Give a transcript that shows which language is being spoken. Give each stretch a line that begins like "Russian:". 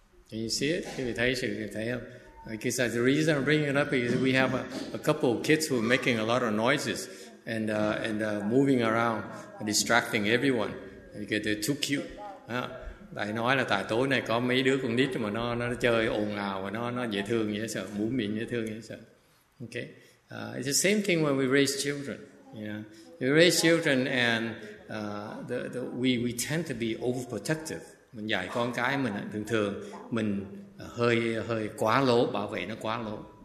English: Can you see it?
Vietnamese: Quý vị thấy không?
English: I guess the reason I'm bringing it up is we have a couple of kids who are making a lot of noises and moving around, distracting everyone. Because they're too cute.
Vietnamese: Tại nói là tại tối nay có mấy đứa con nít mà nó chơi ồn ào và nó dễ thương dễ sợ, muốn miệng dễ thương dễ sợ.
English: Okay, it's the same thing when we raise children. Yeah, we raise children and we tend to be overprotective.
Vietnamese: Mình dạy con cái mình thường thường mình hơi quá lố, bảo vệ nó quá lố.